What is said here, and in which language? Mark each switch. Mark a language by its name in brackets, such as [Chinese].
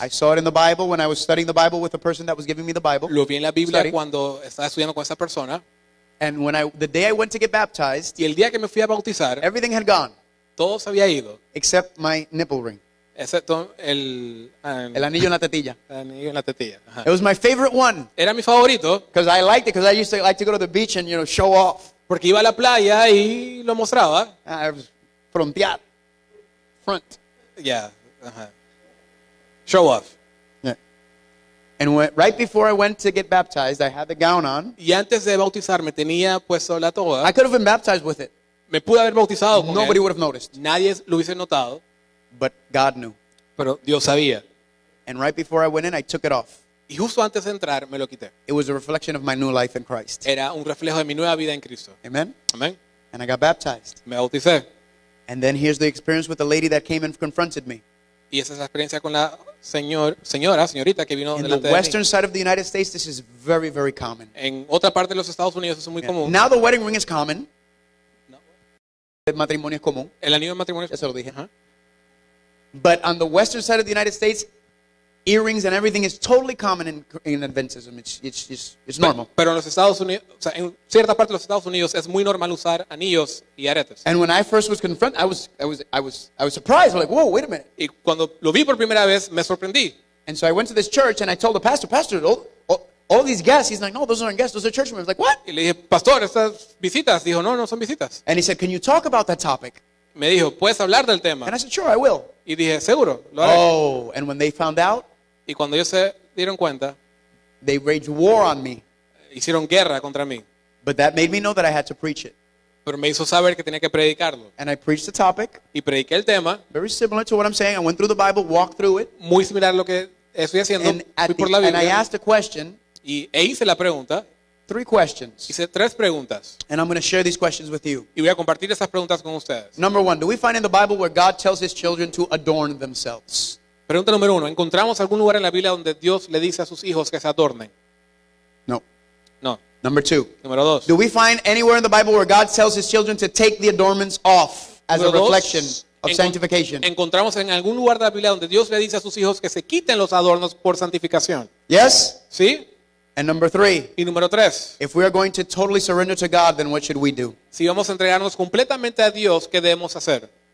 [English] I saw it in the Bible when I was studying the Bible with the person that was giving me the Bible. [Spanish] Lo vi en la Biblia cuando estaba estudiando con esa persona. [English] And when the day I went to get baptized, [Spanish] y el día que me fui a bautizar, [English] everything had gone. [Spanish] Todo se había ido. [English] Except my nipple ring. [Spanish] Excepto el anillo en la tetilla. Anillo en la tetilla. [English] It was my favorite one. [Spanish] Era mi favorito. [English] Because I liked it, because I used to like to go to the beach and show off. [Spanish] Porque iba a la playa y lo mostraba. [English] I was frontear. Front. Yeah. Uh-huh. Show off. Yeah. And right before I went to get baptized, I had the gown on. [Spanish] Y antes de bautizarme tenía puesto la toga. [English] I could have been baptized with it. [Spanish] Me pude haber bautizado con [English] nobody [Spanish] él. [English] Would have noticed. [Spanish] Nadie lo hubiese notado. [English] But God knew. [Spanish] Pero Dios sabía. [English] And right before I went in, I took it off. [Spanish] Y justo antes de entrar, me lo quité. [English] It was a reflection of my new life in Christ. [Spanish] Era un reflejo de mi nueva vida en Cristo. [English] Amen. [Spanish] Amen. [English] And I got baptized. [Spanish] Me bauticé. [English] And then here's the experience with the lady that came and confronted me. [Spanish] Y esa es la experiencia con la señor, señora, señorita que vino delante de mí. [English] In the western side of the United States, this is very, very common. [Spanish] En otra parte de los Estados Unidos eso es muy común. [English] Now the wedding ring is common. [Spanish] El matrimonio es común. El anillo de matrimonio. Ya se lo dije. [English] But on the western side of the United States, earrings and everything is totally common in Adventism. It's normal. [Spanish] Pero en los Estados Unidos, o sea, en cierta parte de los Estados Unidos es muy normal usar anillos y aretes. [English] And when I first was confronted, I was surprised. I'm like, whoa, wait a minute. [Spanish] Y cuando lo vi por primera vez, me sorprendí. [English] And so I went to this church and I told the pastor, all these guests. He's like, no, those aren't guests. Those are church members. I was like, what? [Spanish] Y le dije, pastor, estas visitas. Dijo, no, no son visitas. [English] And he said, can you talk about that topic? [Spanish] Me dijo, ¿puedes hablar del tema? [English] And I said, sure, I will. [Spanish] Y dije, seguro, lo haré. [English] Oh, and when they found out, [Spanish] y cuando ellos se dieron cuenta, [English] they waged war on me. [Spanish] Hicieron guerra contra mí. [English] But that made me know that I had to preach it. [Spanish] Pero me hizo saber que tenía que predicarlo. [English] And I preached the topic. [Spanish] Y prediqué el tema. [English] Very similar to what I'm saying. I went through the Bible, walked through it. [Spanish] Muy similar a lo que estoy haciendo. [English] And [Spanish] fui por la Biblia. [English] And I asked a question. [Spanish] Y hice la pregunta. [English] Three questions. [Spanish] Hice tres preguntas. [English] And I'm going to share these questions with you. [Spanish] Y voy a compartir estas preguntas con ustedes. [English] Number one, do we find in the Bible where God tells his children to adorn themselves? [Spanish] Pregunta número uno, ¿encontramos algún lugar en la Biblia donde Dios le dice a sus hijos que se adornen? [English] No. [Spanish] No. [English] Number two. [Spanish] Número dos. [English] Do we find anywhere in the Bible where God tells his children to take the adornments off as [Spanish] Número [English] a reflection of sanctification? [Spanish] ¿Encontramos en algún lugar de la Biblia donde Dios le dice a sus hijos que se quiten los adornos por santificación? [English] Yes. [Spanish] Sí. [English] And number three, [Spanish] y número tres, [English] if we are going to totally surrender to God, then what should we do? [Spanish] Si vamos a entregarnos completamente a Dios, ¿qué debemos hacer?